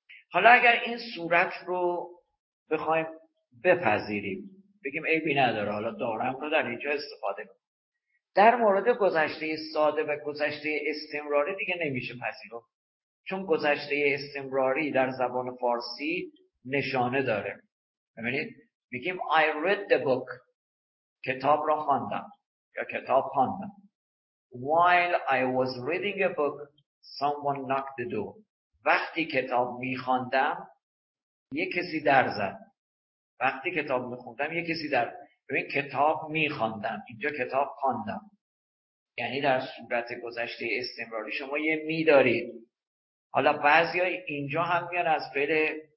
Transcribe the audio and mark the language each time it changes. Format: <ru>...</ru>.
<fa>حالا اگر این صورت رو بخوایم بپذیریم، بگیم عیبی نداره، حالا دارم رو در اینجا استفاده کنم، در مورد گذشته ساده و گذشته استمراری دیگه نمیشه پذیرو. چون گذشته استمراری در زبان فارسی نشانه داره. ببینید میگیم</fa> <en>I read the book،</en> <fa>کتاب را خواندم یا کتاب خواندم.</fa> <en>While I was reading a book, someone knocked the door.</en> <fa>وقتی کتاب میخواندم یک کسی در زد. وقتی کتاب میخوندم یک کسی در. ببین کتاب میخواندم، اینجا کتاب خواندم. یعنی در صورت گذشته استمراری شما یه می دارید. حالا بعضی های اینجا هم میان از فعل</fa>